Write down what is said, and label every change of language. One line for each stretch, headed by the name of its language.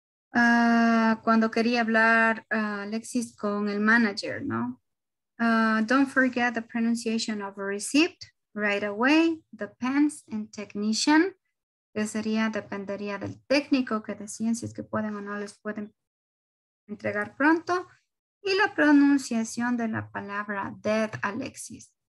Spanish: Cuando quería hablar Alexis con el manager, ¿no?
English: Don't forget the pronunciation of received right away, depends, and technician.
Spanish: Que sería, dependería del técnico que decían si es que pueden o no les pueden entregar pronto. Y la pronunciación de la palabra dead, Alexis.